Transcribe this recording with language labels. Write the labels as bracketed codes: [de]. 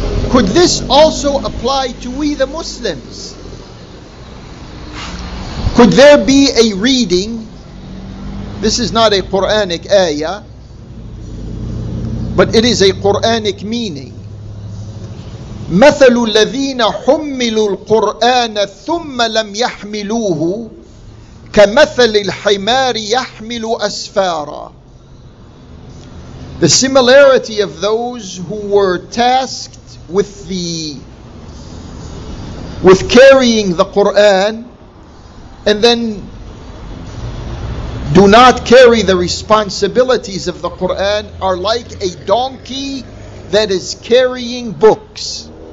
[en] Could this also apply to we the Muslims? Could there be a reading? This is not a Quranic ayah, but it is a Quranic meaning. [ar] مثل الذين حملوا القرآن ثم لم يحملوه كمثل الحمار يحمل أسفارا. [en] The similarity of those who were tasked with carrying the Quran and then do not carry the responsibilities of the Quran are like a donkey that is carrying books.